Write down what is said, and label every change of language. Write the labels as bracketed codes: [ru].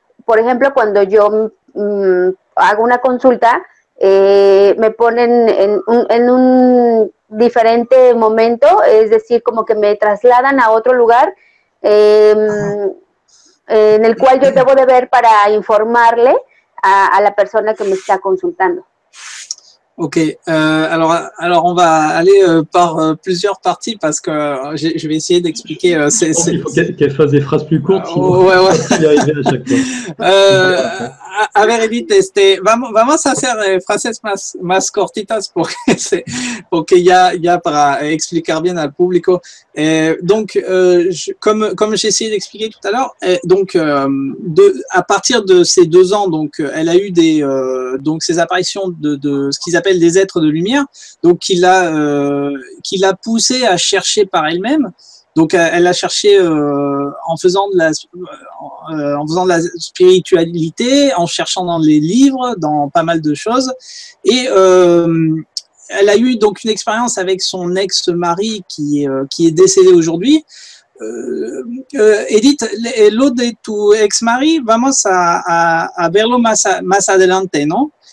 [es] Por ejemplo, cuando yo hago una consulta, me ponen en un diferente momento, es decir, como que me trasladan a otro lugar en el cual yo debo de ver para informarle a la persona que me está consultando. [fr] Ok, alors on va aller par plusieurs parties parce que je vais essayer d'expliquer. Il faut qu'elle fasse des phrases plus courtes. Ouais, ouais. [es] A ver, Edith, vamos a hacer frases más cortitas porque ya para explicar bien al público. [fr] Donc, comme j'ai essayé d'expliquer tout à l'heure, à partir de ces 2 ans, donc, elle a eu ces apparitions de ce qu'ils appellent des êtres de lumière, donc, qui l'a poussé à chercher par elle-même. Donc, elle a cherché en faisant de la spiritualité, en cherchant dans les livres, dans pas mal de choses. Et elle a eu donc une expérience avec son ex-mari qui est décédé aujourd'hui. [es] Edith, lo de tu ex-mari, vamos a verlo más adelante, ¿no?